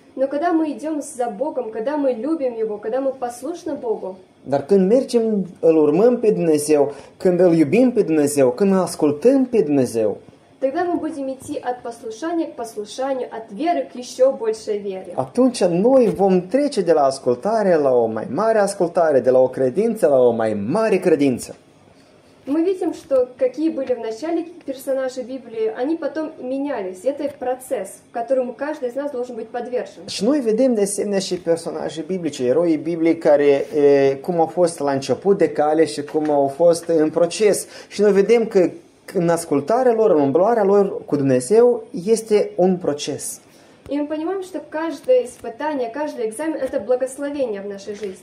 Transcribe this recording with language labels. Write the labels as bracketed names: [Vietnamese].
[Russian] Но когда мы идем за Богом, когда мы любим Его, когда мы послушны Богу. [Romanian] Dar când mergem, îl urmăm pe Dumnezeu, când îl iubim pe Dumnezeu, când îl ascultăm pe Dumnezeu. [Russian] Тогда мы будем идти от послушания к послушанию, от веры к еще большей вере. [Romanian] Atunci noi vom trece de la ascultare la o mai mare ascultare, de la o credință la o mai mare credință. [Russian] Мы видим, что какие были в начале персонажи Библии, они потом менялись. Это процесс, в котором каждый из нас должен быть подвержен. [Romanian] Și noi vedem de asemenea și personaje biblice, eroi Biblii care cum au fost la început de cale și cum au fost în proces. Și noi vedem că în ascultarea lor, în umblarea lor cu Dumnezeu, este un proces. [Russian] И мы понимаем, что каждое испытание, каждый экзамен – это благословение в нашей жизни.